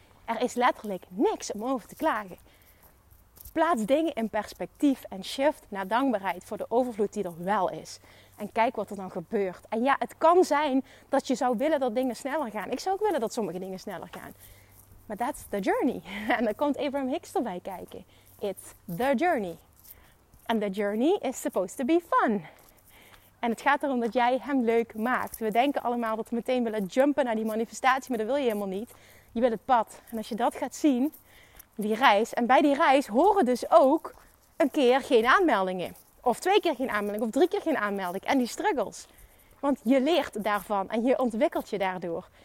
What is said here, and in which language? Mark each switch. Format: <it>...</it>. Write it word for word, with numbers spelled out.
<nl>Er is letterlijk niks om over te klagen. Plaats dingen in perspectief en shift naar dankbaarheid voor de overvloed die er wel is. En kijk wat er dan gebeurt. En ja, het kan zijn dat je zou willen dat dingen sneller gaan. Ik zou ook willen dat sommige dingen sneller gaan. Maar</nl> <en>that's the journey.</en> <nl>En dan komt Abraham Hicks erbij kijken.</nl> <en>It's the journey. And the journey is supposed to be fun.</en> <nl>En het gaat erom dat jij hem leuk maakt. We denken allemaal dat we meteen willen jumpen naar die manifestatie, maar dat wil je helemaal niet. Je wil het pad. En als je dat gaat zien, die reis, en bij die reis horen dus ook een keer geen aanmeldingen. Of twee keer geen aanmelding, of drie keer geen aanmelding. En die struggles. Want je leert daarvan en je ontwikkelt je daardoor.</nl>